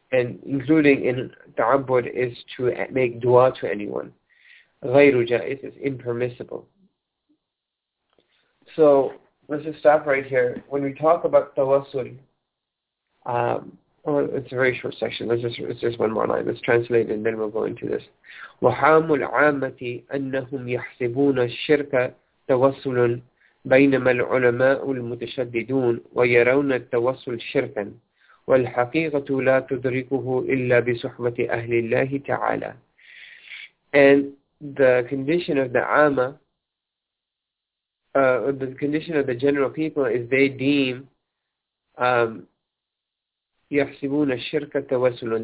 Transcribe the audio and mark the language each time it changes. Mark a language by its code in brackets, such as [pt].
[en] and including in ta'abbud is to make dua to anyone. [ar] غير جائز [en] is impermissible. So let's just stop right here. When we talk about tawassul, well, it's a very short section. Let's just one more line. Let's translate it and then we'll go into this. [ar] وحام العامة أنهم يحسبون الشرك توسل بينما العلماء المتشددون ويرون التوسل شركا والحقيقة لا تدركه إلا بصحبة أهل الله تعالى. [en] And the condition of the Amma, the condition of the general people is they deem [ar] يحسبون الشرك التوسل.